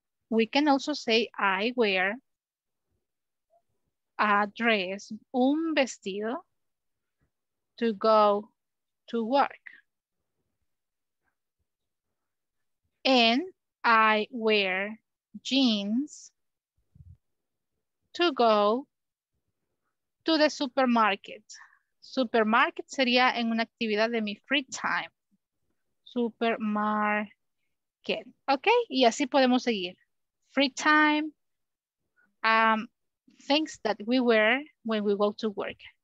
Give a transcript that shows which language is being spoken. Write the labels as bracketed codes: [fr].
[en] We can also say, I wear a dress, [es] un vestido, [en] to go to work. And I wear jeans to go to the supermarket. [es] Supermarket sería en una actividad de mi free time. Supermarket. Okay, y así podemos seguir. [en] Free time, things that we wear when we go to work.